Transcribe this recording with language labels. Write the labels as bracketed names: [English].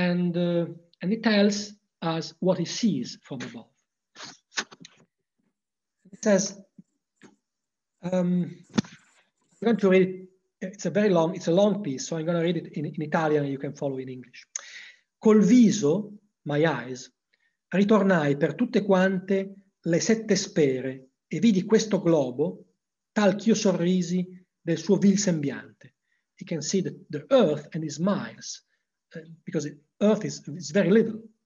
[English] And he tells as what he sees from above. It says, I'm going to read it. It's a long piece, so I'm going to read it in Italian and you can follow in English. [Italian] Col viso, [English] my eyes, [Italian] ritornai per tutte quante le sette sfere e vidi questo globo tal ch'io sorrisi del suo vil sembiante. [English] He can see the earth and he smiles because earth is very little.